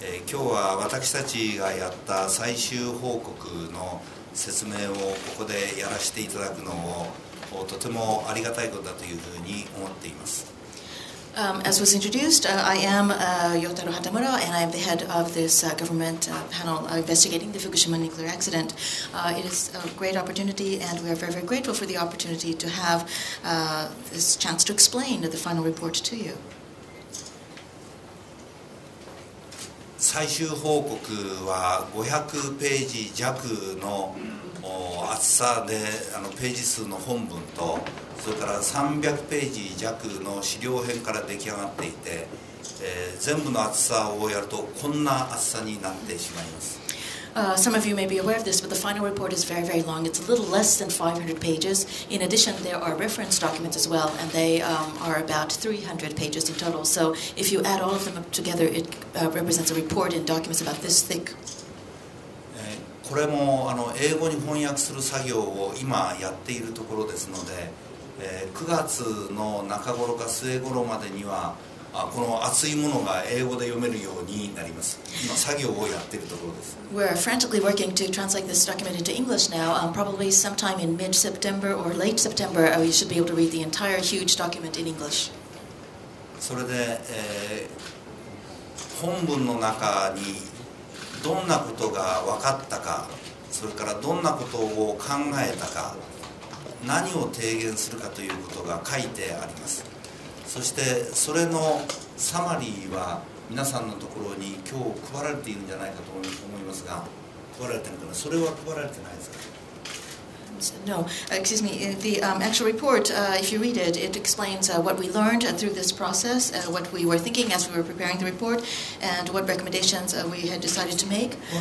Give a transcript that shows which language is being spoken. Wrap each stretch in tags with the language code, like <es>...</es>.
<ja>今日は私たちがやった最終報告の説明をここでやらせていただくのをとてもありがたいことだというふうに思っています。</ja> <en>As was introduced, I am Yotaro Hatamura, and I am the head of this government panel investigating the Fukushima nuclear accident. It is a great opportunity, and we are very, very grateful for the opportunity to have this chance to explain the final report to you.</en> <ja>最終報告は500ページ弱の厚さで、ページ数の本文と、それから300ページ弱の資料編から出来上がっていて、全部の厚さをやるとこんな厚さになってしまいます。</ja> <en>Some of you may be aware of this, but the final report is very, very long. It's a little less than 500 pages. In addition, there are reference documents as well, and they are about 300 pages in total. So if you add all of them up together, it represents a report in documents about this thick.</en> <ja>これも英語に翻訳する作業を今やっているところですので、9月の中頃か末頃までにはこの熱いものが英語で読めるようになります。今作業をやっているところです。</ja> <en>We're frantically working to translate this document into English now. Probably sometime in mid-September or late September, we should be able to read the entire huge document in English.</en> <ja>それで、本文の中にどんなことが分かったか、それからどんなことを考えたか、何を提言するかということが書いてあります。そしてそれのサマリーは皆さんのところに今日配られているんじゃないかと思いますが、配られているかな、それは配られてないですか。</ja> <en>No, excuse me. The actual report, if you read it, it explains what we learned through this process, what we were thinking as we were preparing the report, and what recommendations we had decided to make.</en>